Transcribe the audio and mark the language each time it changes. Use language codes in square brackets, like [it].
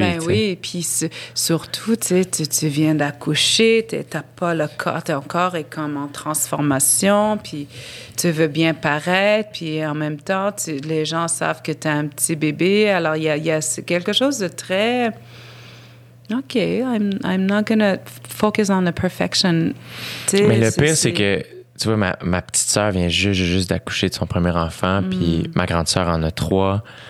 [fr] Ben oui, puis surtout, tu viens d'accoucher, t'as pas le corps, ton corps est comme en transformation, puis tu veux bien paraître, puis en même temps, les gens savent que t'as un petit bébé, alors il y a quelque chose de très... [en] OK, I'm not gonna focus on the perfection. [fr] T'sais, mais le pire, c'est que... tu vois, ma petite sœur vient juste d'accoucher de son premier enfant, puis ma grande sœur en a 3.